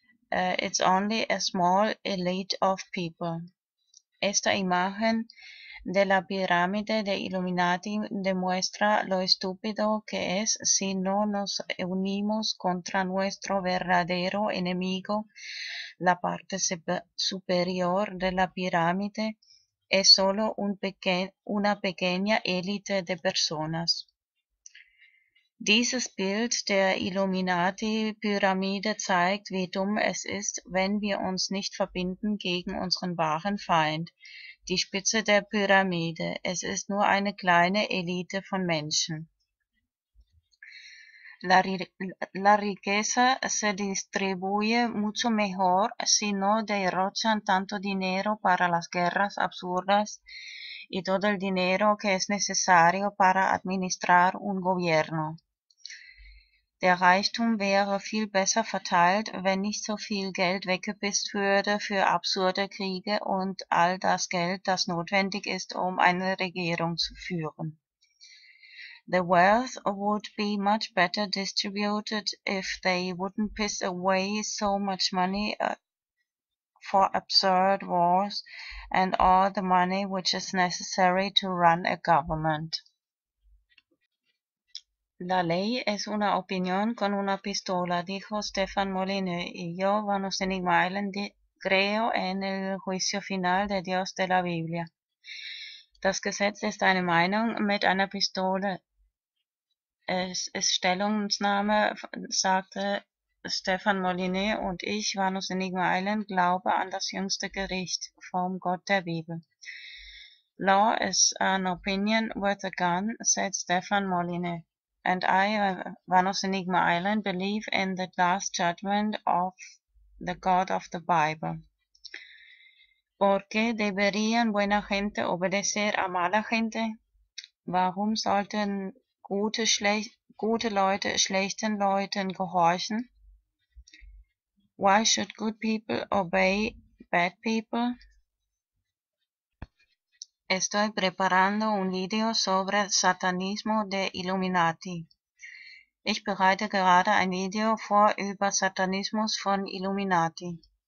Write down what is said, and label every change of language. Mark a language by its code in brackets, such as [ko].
[en] It's only a small elite of people. [es] Esta imagen de la pirámide de Illuminati demuestra lo estúpido que es si no nos unimos contra nuestro verdadero enemigo. La parte superior de la pirámide es solo una pequeña élite de personas. [de] Dieses Bild der Illuminati-Pyramide zeigt, wie dumm es ist, wenn wir uns nicht verbinden gegen unseren wahren Feind, die Spitze der Pyramide. Es ist nur eine kleine Elite von Menschen. [es] La riqueza se distribuye mucho mejor si no derrochan tanto dinero para las guerras absurdas y todo el dinero que es necesario para administrar un gobierno. [de] Der Reichtum wäre viel besser verteilt, wenn nicht so viel Geld weggepisst würde für absurde Kriege und all das Geld, das notwendig ist, um eine Regierung zu führen. [en] The wealth would be much better distributed if they wouldn't piss away so much money for absurd wars and all the money which is necessary to run a government. [es] La ley es una opinión con una pistola, dijo Stefan Molyneux, y yo, Vanus Enigma Island, creo en el juicio final de Dios de la Biblia. [de] Das Gesetz ist eine Meinung mit einer Pistole. Es ist Stellungnahme, sagte Stefan Molyneux, und ich, Vanus Enigma Island, glaube an das jüngste Gericht vom Gott der Bibel. [en] Law is an opinion with a gun, said Stefan Molyneux. And I, Vanus Enigma Island, believe in the last judgment of the God of the Bible. [es] ¿Por qué deberían buena gente obedecer a mala gente? [de] ¿Warum sollten gute Leute schlechten Leuten gehorchen? [en] Why should good people obey bad people? [es] Estoy preparando un video sobre el satanismo de Illuminati. [de] Ich bereite gerade ein Video vor über Satanismus von Illuminati.